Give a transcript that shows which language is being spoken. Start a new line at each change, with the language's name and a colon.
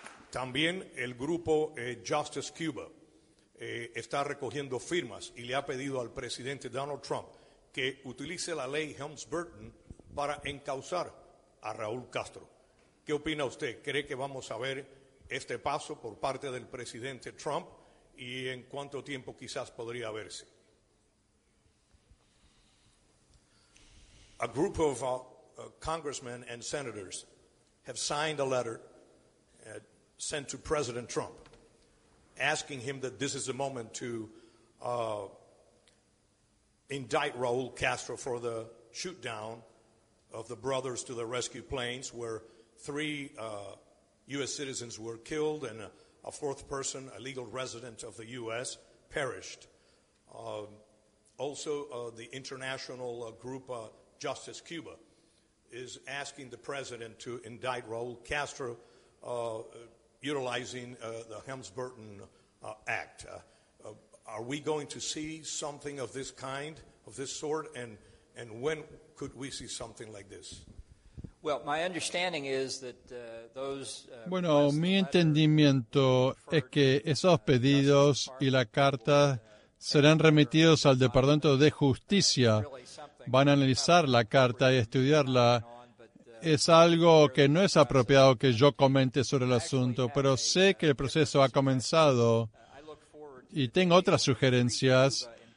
Spanish: También el grupo Justice Cuba está recogiendo firmas y le ha pedido al presidente Donald Trump que utilice la ley Helms-Burton para encauzar a Raúl Castro. ¿Qué opina usted? ¿Cree que vamos a ver este paso por parte del presidente Trump y en cuánto tiempo quizás podría verse?
English: A group of congressmen and senators have signed a letter sent to President Trump asking him that this is the moment to indict Raúl Castro for the shoot down of the brothers to the rescue planes where three U.S. citizens were killed and a fourth person, a legal resident of the U.S., perished. Also, the international group Justice Cuba is asking the president to indict Raúl Castro utilizing the Helms-Burton Act. Are we going to see something of this kind, of this sort, and when could we see something like this? Well, my understanding is that those
Spanish: bueno, mi entendimiento es que esos pedidos y la carta serán remitidos al Departamento de Justicia. Van a analizar la carta y estudiarla. Es algo que no es apropiado que yo comente sobre el asunto, pero sé que el proceso ha comenzado y tengo otras sugerencias.